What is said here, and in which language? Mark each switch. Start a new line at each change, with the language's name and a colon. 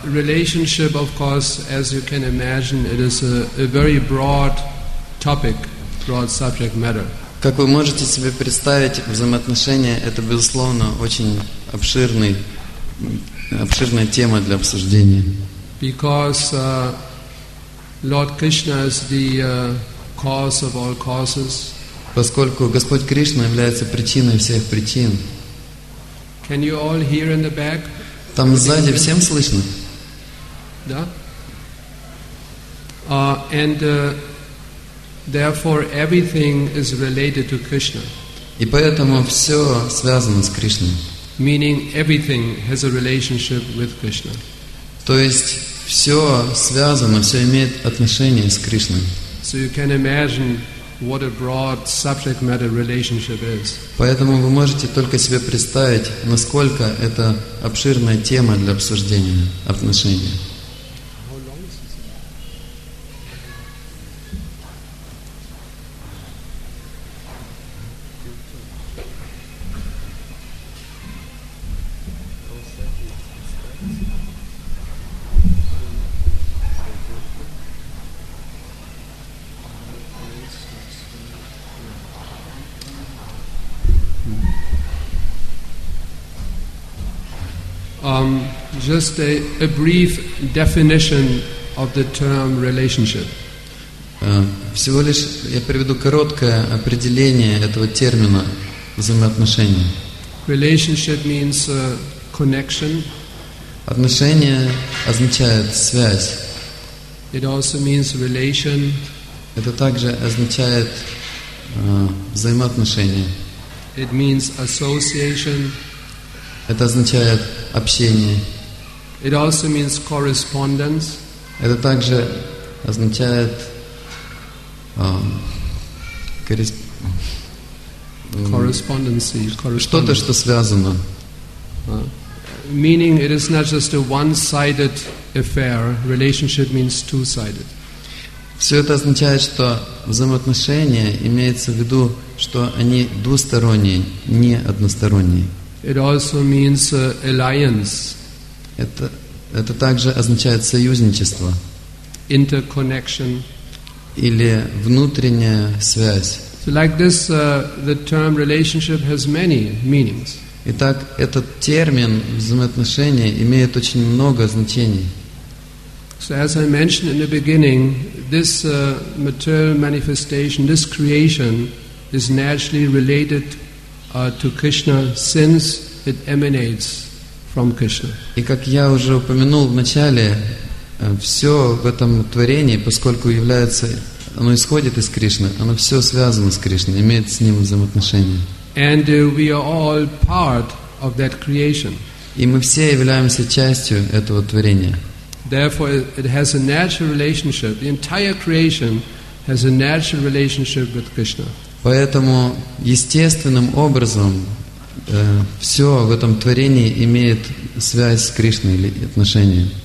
English: Relationship, of course, as you can imagine, it is a very broad topic, broad subject matter.
Russian: Как вы можете себе представить, взаимоотношения — это, безусловно, очень обширная тема для обсуждения.
English: Because Lord Krishna is the cause of all causes.
Russian: Поскольку Господь Кришна является причиной всех причин.
English: Can you all hear in the back?
Russian: Там сзади всем слышно? Да.
English: And therefore everything is related to Krishna.
Russian: И поэтому все связано с Кришной.
English: Meaning everything has a relationship with Krishna.
Russian: То есть все связано, все имеет отношение с Кришной.
English: So you can imagine what a broad subject matter relationship is.
Russian: Поэтому вы можете только себе представить, насколько это обширная тема для обсуждения отношений.
English: Just a brief definition of the term relationship.
Russian: Всего лишь я приведу короткое определение этого термина взаимоотношения.
English: Relationship means connection.
Russian: Отношение означает связь.
English: It also means relation.
Russian: Это также означает взаимоотношение.
English: It means association.
Russian: Это означает общение.
English: It also means correspondence.
Russian: Это также означает
English: correspondence.
Russian: Что-то, что связано.
English: Meaning it is not just a one-sided affair. Relationship means two-sided.
Russian: Все это означает, что взаимоотношения имеется в виду, что они двусторонние, не односторонние.
English: It also means alliance.
Russian: Это также означает союзничество.
English: Interconnection.
Russian: Или внутренняя связь.
English: So like this, the term relationship has many meanings.
Russian: Итак, этот термин взаимоотношения имеет очень много значений.
English: So as I mentioned in the beginning, this material manifestation, this creation, is naturally related to Krishna since it emanates from Krishna.
Russian: И как я уже упомянул в начале, все в этом творении, поскольку является, оно исходит из Кришны, оно все связано с Кришной, имеет с ним взаимоотношения.
English: And we are all part of that creation.
Russian: И мы все являемся частью этого творения.
English: Therefore, it has a natural relationship. The entire creation has a natural relationship with Krishna.
Russian: Поэтому естественным образом все в этом творении имеет связь с Кришной или отношения.